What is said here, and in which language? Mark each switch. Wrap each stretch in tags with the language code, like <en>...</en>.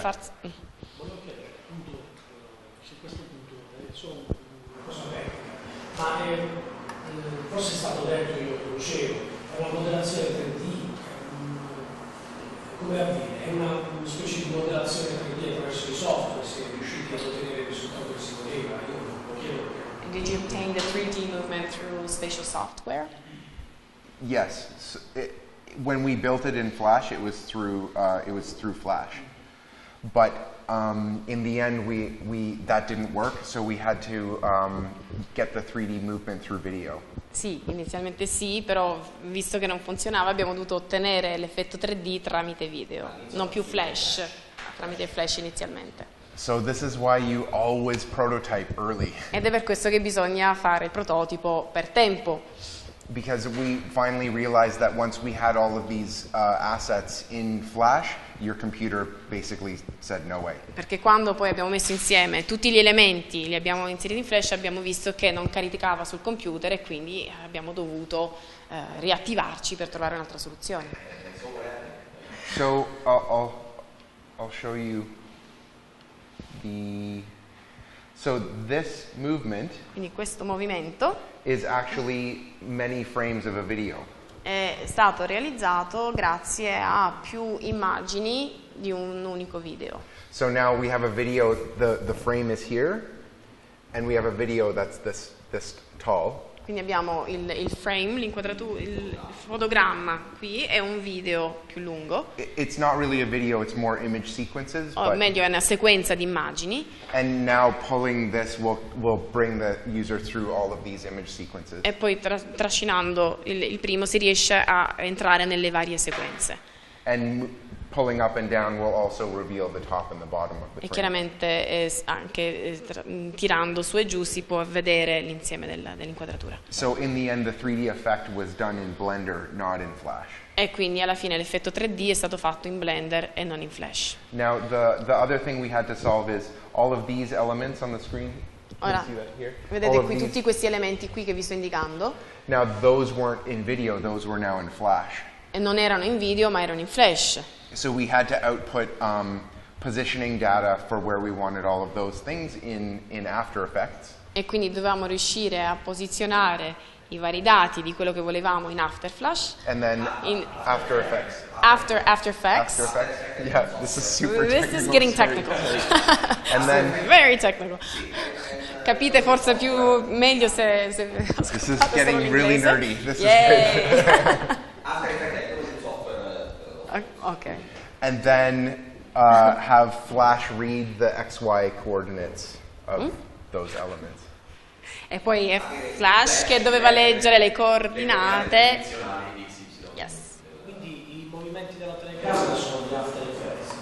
<it>Volevo chiedere appunto su questo punto, ma forse è stato detto, io lo dicevo, la modellazione 3D come avviene? È una specie di modellazione 3D attraverso i software, se riusciti a ottenere il risultato che si voleva? Io non lo chiedo.</it> <en>Did you obtain the 3D movement through spatial software? Yes. So when we built it in Flash, it was through Flash, but in the end we that didn't work, so we had to get the 3D movement through video.</en> <it>Sì, inizialmente sì, però visto che non funzionava abbiamo dovuto ottenere l'effetto 3D tramite video, non più Flash, tramite Flash inizialmente.</it> <en>So this is why you always prototype early.</en> <it>Ed è per questo che bisogna fare il prototipo per tempo.</it> <en>Because we finally realized that once we had all of these assets in Flash, your computer basically said no way.</en> <it>Perché quando poi abbiamo messo insieme tutti gli elementi, li abbiamo inseriti in Flash, abbiamo visto che non caricava sul computer e quindi abbiamo dovuto riattivarci per trovare un'altra soluzione.</it> <en>So I'll show you the. So this movement,</en> <it>quindi questo movimento,</it> <en>is actually many frames of a video.</en> <it>È stato realizzato grazie a più immagini di un unico video.</it> <en>So now we have a video, the frame is here, and we have a video that's this tall.</en> <it>Quindi abbiamo il frame, l'inquadratura, il fotogramma qui è un video più lungo.</it> <en>It's not really a video, it's more image sequences.</en> <it>O meglio, è una sequenza di immagini.</it> <en>And now pulling this will bring the user through all of these image sequences.</en> <it>E poi trascinando il primo si riesce a entrare nelle varie sequenze.</it> <en>And pulling up and down will also reveal the top and the bottom of the frame.</en> <it>E chiaramente anche tirando su e giù si può vedere l'insieme dell'inquadratura.</it> <en>So in the end the 3D effect was done in Blender, not in Flash.</en> <it>E quindi alla fine l'effetto 3D è stato fatto in Blender e non in Flash.</it> <en>Now the other thing we had to solve is all of these elements on the screen.</en> <it>Ora, vedete qui tutti questi elementi qui che vi sto indicando?</it> <en>Now those weren't in video, those were now in Flash.</en> <it>E non erano in video, ma erano in Flash.</it> <en>So we had to output positioning data for where we wanted all of those things in After Effects.</en> <it>E quindi dovevamo riuscire a posizionare i vari dati di quello che volevamo in After Flash.</it> <en>And then in After Effects. After Effects. After Effects. Yeah, this is super technical. This is getting technical. And then very technical.</en> <it>Capite forse più meglio se</it> <en>this is getting really nerdy. This Yay. Is great. Okay. And then have Flash read the XY coordinates of those elements.</en> <it>E poi è Flash che doveva leggere le coordinate.</it> <en>Yes.</en> <it>Quindi i movimenti della telecamera sono gli After Effects.</it>